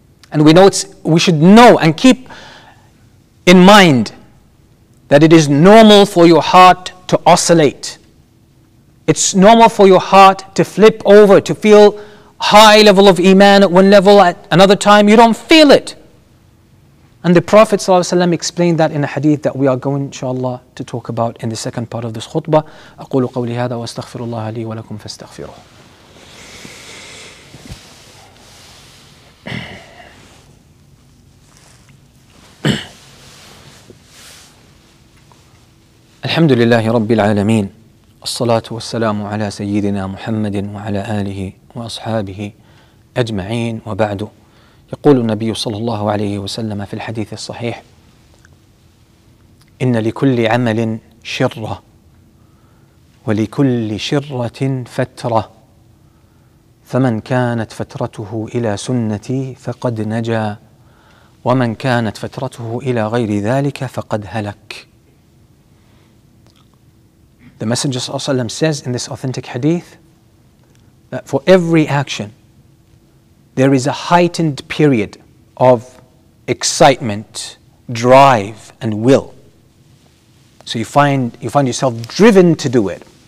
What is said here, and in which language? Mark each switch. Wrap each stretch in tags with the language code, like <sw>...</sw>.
<en>And we should know and keep in mind that it is normal for your heart to oscillate. It's normal for your heart to flip over, to feel high level of iman at one level, at another time you don't feel it. And the Prophet ﷺ explained that in a hadith that we are going, inshallah, to talk about in the second part of this khutbah.</en> <ar>أقول قولي هذا واستغفر الله لي ولكم فاستغفروه. الحمد لله رب العالمين. الصلاة والسلام على سيدنا محمد وعلى آله وأصحابه أجمعين وبعد. يقول النبي صلى الله عليه وسلم في الحديث الصحيح: إن لكل عمل شرة ولكل شرة فترة، فمن كانت فترته إلى سنتي فقد نجا، ومن كانت فترته إلى غير ذلك فقد هلك.</ar> <en>The Messenger ﷺ says in this authentic hadith that for every action, there is a heightened period of excitement, drive, and will. So you find yourself driven to do it.</en>